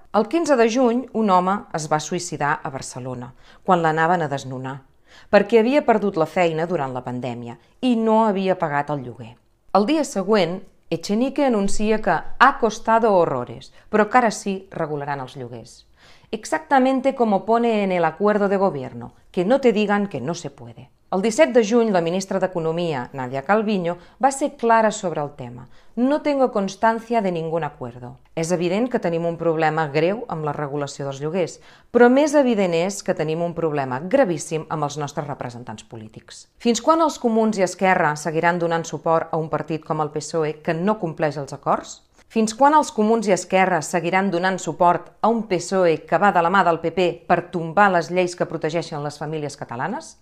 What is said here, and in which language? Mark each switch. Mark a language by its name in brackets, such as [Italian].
[Catalan] El 15 de juny, un home es va suïcidar a Barcelona, quan l'anaven a desnonar, perquè havia perdut la feina durant la pandèmia i no havia pagat el lloguer. El dia següent, Echenique anuncia que [Spanish] ha costado horrores, [Catalan] però que ara sí regularan els lloguers. [Spanish] Exactamente como pone en el acuerdo de gobierno, que no te digan que no se puede. [Catalan] El 17 de juny, la ministra d'Economia, Nadia Calviño, va ser clara sobre el tema. [Spanish] No tengo constancia de ningún acuerdo. [Catalan] És evident que tenim un problema greu amb la regulació dels lloguers, però més evident és que tenim un problema gravíssim amb els nostres representants polítics. Fins quan els comuns i Esquerra seguiran donant suport a un partit com el PSOE que no compleix els acords? Fins quan els comuns i Esquerra seguiran donant suport a un PSOE que va de la mà del PP per tombar les lleis que protegeixen les famílies catalanes?